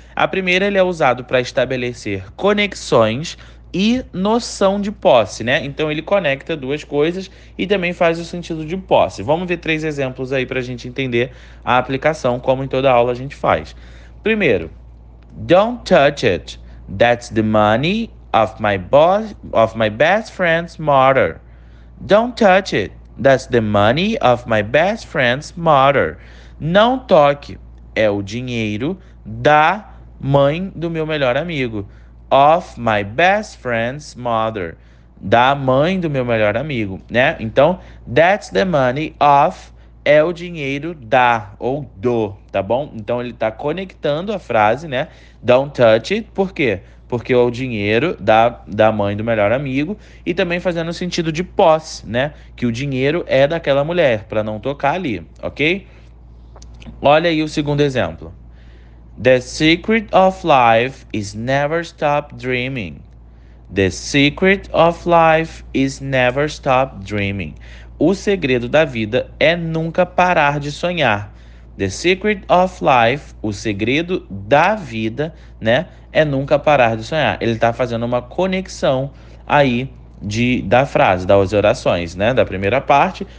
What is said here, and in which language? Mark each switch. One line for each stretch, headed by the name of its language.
Portuguese: A primeira, ele é usado para estabelecer conexões e noção de posse, né? Então ele conecta duas coisas e também faz o sentido de posse. Vamos ver três exemplos aí para a gente entender a aplicação, como em toda aula a gente faz. Primeiro,
English: don't touch it. That's the money of my boss, of my best friend's mother. Don't touch it. That's the money of my best friend's mother.
Portuguese: Não toque, é o dinheiro da mãe do meu melhor amigo.
English: Of my best friend's mother.
Portuguese: Da mãe do meu melhor amigo, né? Então,
English: that's the money of
Portuguese: é o dinheiro da ou do, tá bom? Então ele tá conectando a frase, né?
English: Don't touch it,
Portuguese: por quê? Porque é o dinheiro da mãe do melhor amigo e também fazendo sentido de posse, né? Que o dinheiro é daquela mulher, para não tocar ali, ok? Olha aí o segundo exemplo.
English: The secret of life is never stop dreaming. The secret of life is never stop dreaming.
Portuguese: O segredo da vida é nunca parar de sonhar.
English: The secret of life,
Portuguese: o segredo da vida, né, é nunca parar de sonhar. Ele está fazendo uma conexão aí da frase, das orações, né, da primeira parte.